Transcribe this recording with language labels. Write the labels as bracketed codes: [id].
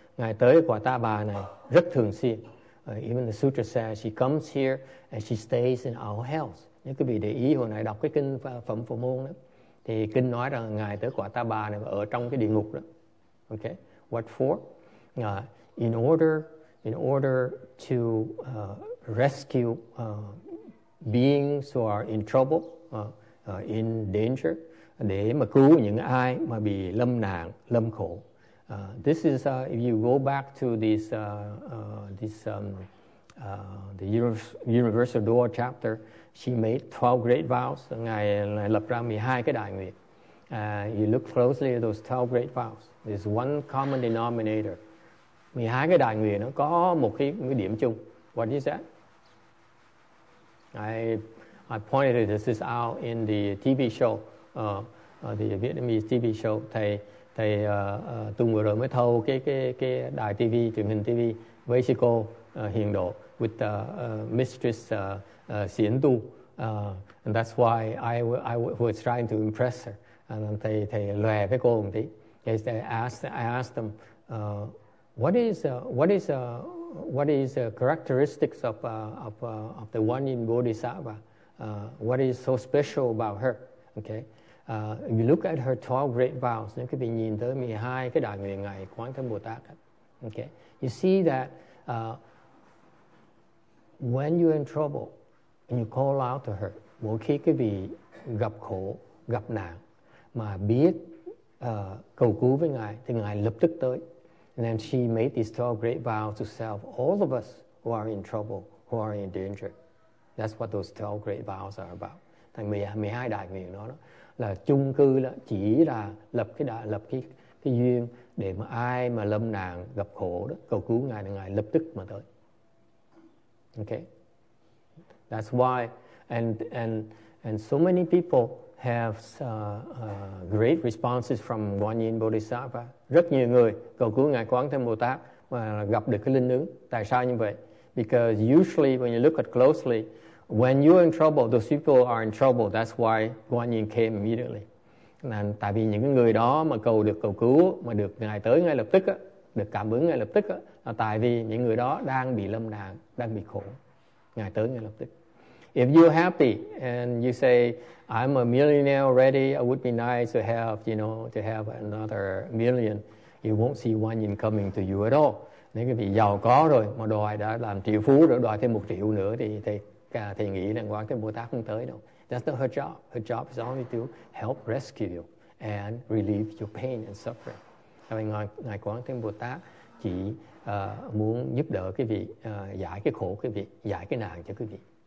[vi] Ngài tới quả ta bà này rất thường xuyên. [en] Even the sutra says she comes here and she stays in our house. [vi] Nếu quý vị để ý hồi nãy đọc cái kinh Phẩm Phổ Môn đó, thì kinh nói rằng ngài tới quả ta bà này ở trong cái địa ngục đó. [en] Okay, what for? In order to rescue beings who are in trouble, in danger, [vi] để mà cứu những ai mà bị lâm nạn, lâm khổ. [en] This is if you go back to this the Universal Door chapter, she made 12 great vows. [vi] Ngài lập ra 12 cái đại nguyện. [en] You look closely at those 12 great vows. There's one common denominator. [vi] 12 cái đại nguyện nó có một cái điểm chung. [en] What is that? I pointed this out in the TV show, the Vietnamese TV show. [vi] Thầy tuần vừa rồi mới thâu cái đài TV, truyền hình TV với sư cô Hiền Độ, [en] with Mistress Xiển Tu, and that's why I was trying to impress her. [vi] And thầy lòe với cô một tí. [en] I asked them, what is characteristics of the one in Bodhisattva? What is so special about her? Okay. If you look at her 12 great vows, [vi] nếu quý vị nhìn tới 12 cái đại nguyện ngày Quán Thế Bồ Tát, [en] okay, you see that when you're in trouble and you call out to her, [vi] mỗi khi quý vị gặp khổ, gặp nạn, mà biết cầu cứu với Ngài, thì Ngài lập tức tới. [en] And then she made these 12 great vows to save all of us who are in trouble, who are in danger. That's what those 12 great vows are about. [vi] Thành 12 đại nguyện đó là chung cư là chỉ là lập cái duyên để mà ai mà lâm nạn gặp khổ đó cầu cứu ngài thì ngài lập tức mà tới. [en] Okay, that's why and so many people have great responses from Quan Yin Bodhisattva. [vi] Rất nhiều người cầu cứu ngài Quán Thế Bồ Tát mà gặp được cái linh ứng. Tại sao như vậy? [en] Because usually when you look at closely, when you're in trouble, those people are in trouble. That's why Quan Yin came immediately. [vi] And tại vì những người đó mà cầu được cầu cứu, mà được ngài tới ngay lập tức, được cảm ứng ngay lập tức, là tại vì những người đó đang bị lâm nạn, đang bị khổ. Ngài tới ngay lập tức. [en] If you're happy and you say, I'm a millionaire already, it would be nice to have, you know, to have another million, you won't see Quan Yin coming to you at all. [vi] Nếu quý vị giàu có rồi, mà đòi đã làm triệu phú rồi, đòi thêm 1 triệu nữa thì nghĩ rằng Quán Thế Bồ Tát không tới đâu. [en] That's not her job. Her job is only to help rescue you and relieve your pain and suffering. [vi] Ngài Quán Thế Bồ Tát chỉ muốn giúp đỡ quý vị, giải cái khổ quý vị, giải cái nạn cho quý vị.